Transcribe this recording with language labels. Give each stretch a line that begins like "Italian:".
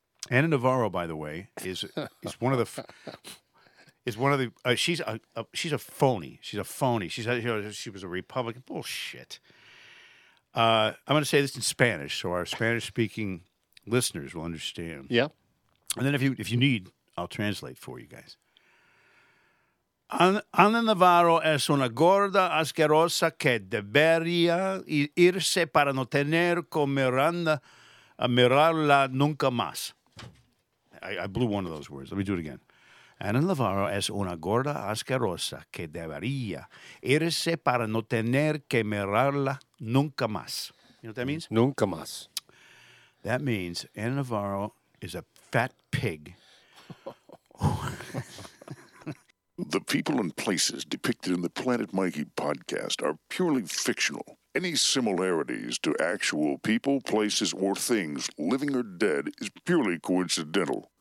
English: Anna Navarro, by the way, is one of the, she's a phony. She's a phony. She was a Republican. Bullshit. I'm going to say this in Spanish, so our Spanish-speaking listeners will understand. Yeah. And then if you need, I'll translate for you guys.
Spanish: Ana Navarro es una gorda asquerosa que debería irse para no tener que mirarla nunca más.
English: I blew one of those words. Let me do it again.
Spanish: Ana Navarro es una gorda asquerosa que debería irse para no tener que mirarla nunca más.
English: You know what that means?
Spanish: Nunca más.
English: That means Ana Navarro is a fat pig The people and places depicted in the Planet Mikey podcast are purely fictional. Any similarities to actual people, places, or things, living or dead, is purely coincidental.